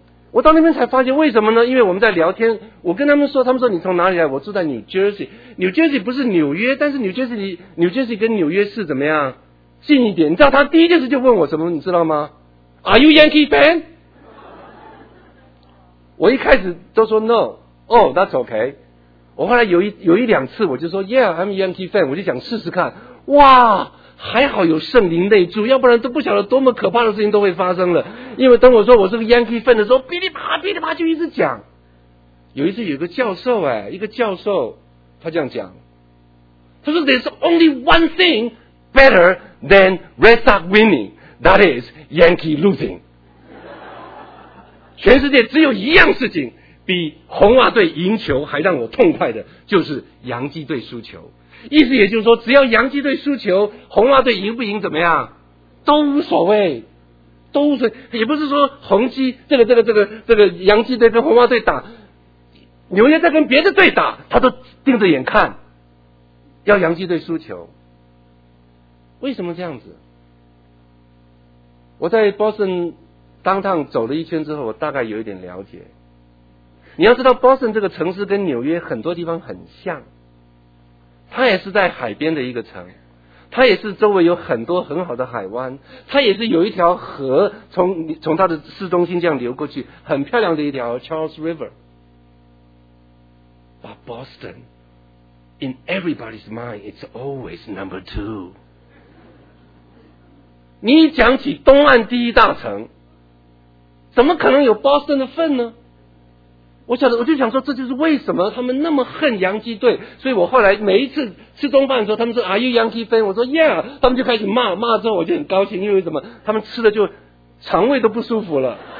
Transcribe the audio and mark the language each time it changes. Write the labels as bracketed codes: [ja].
[zh] 我到那边才发现为什么呢？因为我们在聊天，我跟他们说，他们说你从哪里来，我住在 New Jersey， New Jersey 不是纽约，但是 New Jersey 跟纽约市怎么样近一点，你知道他第一件事就问我什么，你知道吗？ [en] Are you Yankee fan？ [zh] 我一开始都说 [en] No， Oh that's OK。 [zh] 我后来有一两次我就说 [en] Yeah I'm Yankee fan， [zh] 我就想试试看，哇，还好有圣灵内住，要不然都不晓得多么可怕的事情都会发生了。因为等我说我是个 Yankee fan 的时候，噼里啪噼里啪就一直讲。有一次有个教授，一个教授他这样讲，他说 [en] There's only one thing better than Red Sox winning, that is Yankee losing。 [zh] 全世界只有一样事情比红袜队赢球还让我痛快的，就是洋基队输球。意思也就是说，只要洋基队输球，红袜队赢不赢怎么样都无所谓，都无所谓。也不是说红基这个洋基队跟红袜队打，纽约在跟别的队打，他都盯着眼看，要洋基队输球。为什么这样子？我在 Boston downtown 走了一圈之后，我大概有一点了解。你要知道 Boston 这个城市跟纽约很多地方很像，它也是在海边的一个城，它也是周围有很多很好的海湾，它也是有一条河从它的市中心这样流过去，很漂亮的一条 Charles River。 [en] But Boston in everybody's mind it's always number two。 [zh] 你一讲起东岸第一大城，怎么可能有 Boston 的份呢？我就想说，这就是为什么他们那么恨洋基队。所以我后来每一次吃中饭的时候，他们说 [en] Are you Yankee fan？ [zh] 我说 Yeah， 他们就开始骂，骂之后我就很高兴，因为什么？他们吃的就肠胃都不舒服了。